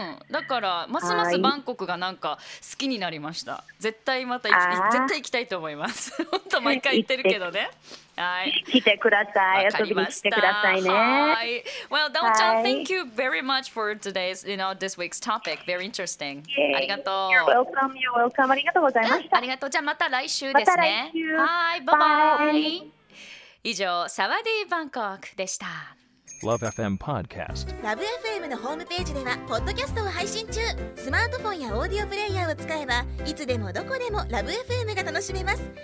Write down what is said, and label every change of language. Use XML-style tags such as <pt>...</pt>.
<ja>だからますますバンコクがなんか好きになりました。絶対また絶対行きたいと思います。本当毎回行ってるけどね。はい、来てください。遊びに来てくださいね。</ja> <en>はい、 Well, Dao Chan, thank you very much for today's, you know, this week's topic. Very interesting. Yay.</en> <ja>ありがとう。</ja> <en>You're welcome.</en> <ja>ありがとうございました。ありがとう。じゃあまた来週ですね。また来週。はい、バイバイ。以上、サワディバンコクでした。</ja> <en>Love FM Podcast.</en> <ja>Love FM のホームページではポッドキャストを配信中。スマートフォンやオーディオプレイヤーを使えば、いつでもどこでもLove FM が楽しめます。</ja>